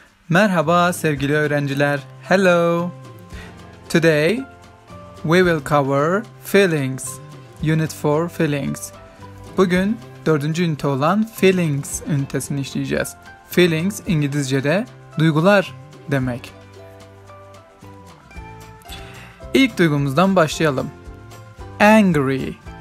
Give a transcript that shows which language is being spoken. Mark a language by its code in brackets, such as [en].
[tr] Merhaba sevgili öğrenciler. [en] Hello. Today we will cover feelings. Unit 4 feelings. [tr] Bugün 4. ünite olan feelings ünitesini işleyeceğiz. Feelings İngilizce'de duygular demek. İlk duygumuzdan başlayalım. Angry.